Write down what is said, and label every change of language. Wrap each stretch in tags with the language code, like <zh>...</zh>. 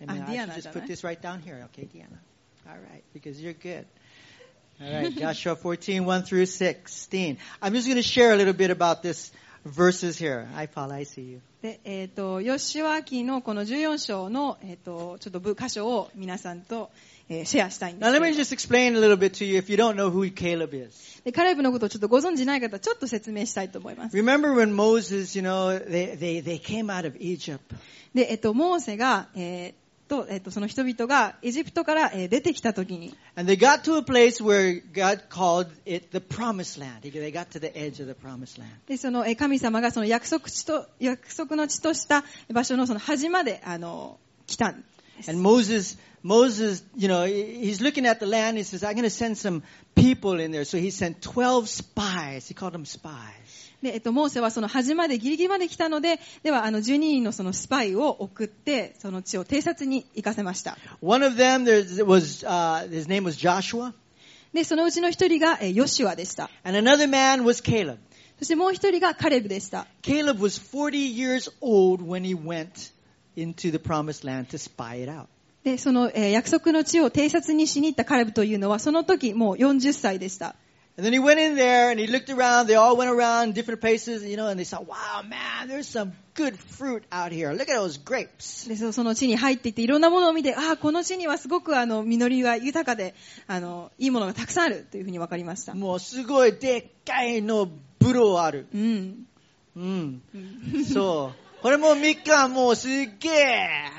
<en>I mean, Diana, I should just put this right down here, okay, Diana? All right, because you're good. All right, Joshua 14, 1 through 16. I'm just going to share a little bit about this verses here. Hi, Paula. I see you.</en> <ja>で、ヨシュア記のこの14章の、ちょっと箇所を皆さんと、シェアしたいんですけど。</ja> <en>Now let me just explain a little bit to you if you don't know who Caleb is.</en> <ja>で、カレブのことをちょっとご存じない方はちょっと説明したいと思います。</ja> <en>Remember when Moses, you know, they came out of Egypt.</en> <ja>で、モーセが、その人々がエジプトから出てきたときに。</ja> <en>And they got to a place where God called it the promised land. They got to the edge of the promised land.</en> <ja>で、その神様がその約束の地とした場所のその端まで来たんです。</ja> <en>And Moses, you know, he's looking at the land. He says, I'm going to send some people in there. So he sent 12 spies. He called them spies.</en> <ja>で、モーセはその端までギリギリまで来たので、では12人のそのスパイを送ってその地を偵察に行かせました。</ja> <en>One of them, his name was Joshua.</en> <ja>で、そのうちの一人がヨシュアでした。</ja> <en>And another man was Caleb.</en> <ja>そしてもう一人がカレブでした。</ja> <en>Caleb was 40 years old when he went into the promised land to spy it out.</en> <ja>で、その約束の地を偵察にしに行ったカレブというのはその時もう40歳でした。</ja> <en>And then he went in there and he looked around. They all went around different places, you know, and they saw, wow, man, there's some good fruit out here. Look at those grapes.</en> <ja>で、その地に入っていて、いろんなものを見て、ああ、この地にはすごく実りが豊かで、いいものがたくさんあるというふうに分かりました。もうすごいでっかいのブドウある。うん。うん。そう。これもみかん、もうすげえ。</ja>